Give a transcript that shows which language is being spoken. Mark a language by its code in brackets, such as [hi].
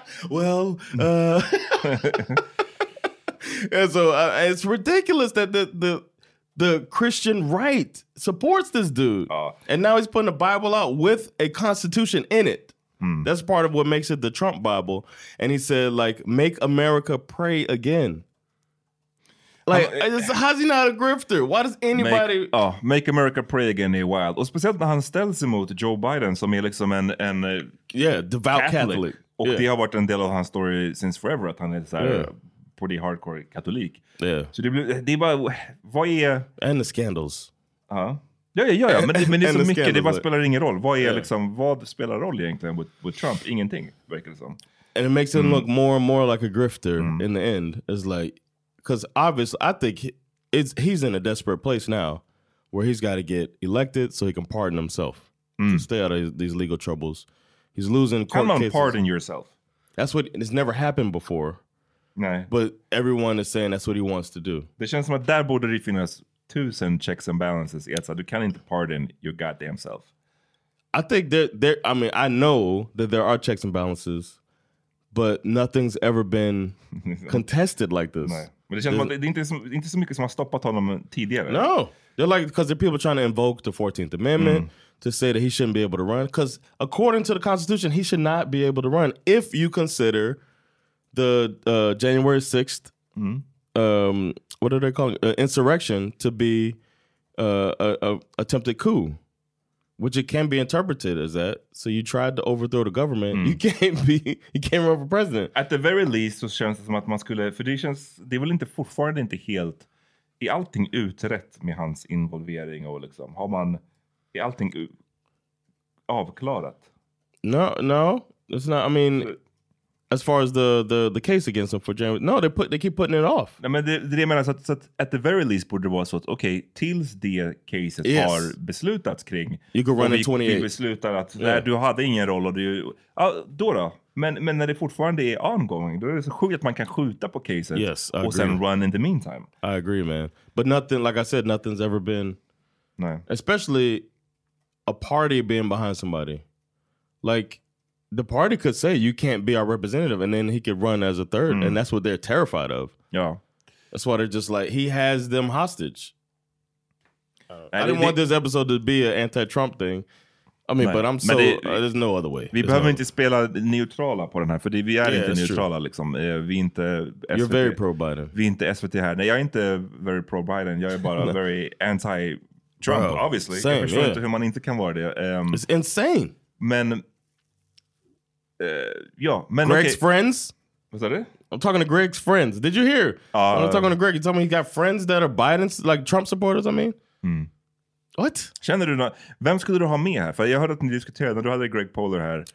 [en] Well, yeah, so it's ridiculous that the Christian right supports this dude. And now he's putting a Bible out with a constitution in it. That's part of what makes it the Trump Bible. And he said, like, make America pray again. Like, how's he not a grifter? Why does anybody... Make America pray again, [sv] är wild. Och speciellt när han ställs emot Joe Biden, som är liksom en [en] devout Catholic. [sv] Och det har varit en del av hans story [en] since forever, [sv] att han är så här... [en] pretty hardcore katolik. Yeah. [sv] Så det blir det bara vad är [en] and the scandals. [sv] Ja, men det är så mycket, det bara spelar ingen roll. Vad är liksom, vad spelar roll egentligen [en] with Trump? [sv] Ingenting, verkar det som. [en] And it makes him look more and more like a grifter in the end. It's like, cuz obviously I think he's in a desperate place now where he's got to get elected so he can pardon himself. To stay out of these legal troubles. He's losing court cases. Come on, pardon yourself. That's what it's never happened before. [sv] Nej. [en] But everyone is saying that's what he wants to do. [sv] Det känns som att där borde det finnas 1000 [en] checks and balances. Yes, [sv] du kan inte [en] pardon your goddamn self. I think there. I mean, I know that there are checks and balances, but nothing's ever been contested like this. [sv] Nej. Men det känns som att det inte så mycket som har stoppat honom tidigare. [en] No, they're like, because there are people trying to invoke the 14th Amendment to say that he shouldn't be able to run. Because according to the Constitution, he should not be able to run if you consider... the January 6th, what are they calling it? Insurrection to be a attempted coup, which it can be interpreted as that. So you tried to overthrow the government. Mm. You can't run for president. At the very least [sv] så känns det som att man skulle, för det känns, det är väl inte fortfarande inte helt i allting utrett med hans involvering och liksom, har man i allting avklarat? [en] No, it's not. I mean, as far as the case against him for January, no, they keep putting it off. [sv] Nej, men det menar så att [en] at the very least [sv] borde vara så att okej, tills det [en] cases yes. [sv] har beslutats kring, [en] you could run [sv] vi, [en] in 28. [sv] Vi beslutar att yeah. du hade ingen roll och du, ja, då. Men när det fortfarande är ongoing, då är det så sjukt att man kan skjuta på cases [en] yes, [sv] och [en] agree. Sen run in the meantime. I agree, man. But nothing, like I said, nothing's ever been, no. especially a party being behind somebody. Like, the party could say, you can't be our representative, and then he could run as a third, mm. and that's what they're terrified of. Yeah. That's why they're just like, he has them hostage. I didn't want this episode to be an anti-Trump thing. I mean, but I'm so, there's no other way. [sv] Vi behöver inte spela neutrala på den här, för vi är inte neutrala liksom. Vi är inte [en] SVT. You're very pro-Biden. [sv] Vi är inte SVT här. Nej, jag är inte [en] very pro-Biden. [sv] Jag är bara [en] very anti-Trump, bro, obviously. Same, [sv] jag förstår inte hur man inte kan vara det. [en] It's insane. [sv] Men... ja, men [en] Greg's okay. friends? Was that it? I'm talking to Greg's friends. Did you hear? I'm talking to Greg. You tell me he got friends that are Biden's, like Trump supporters, I mean? Mm. What? [sv] Känner du vem skulle du ha med här? För jag hörde att ni diskuterade, du hade Greg Poehler här.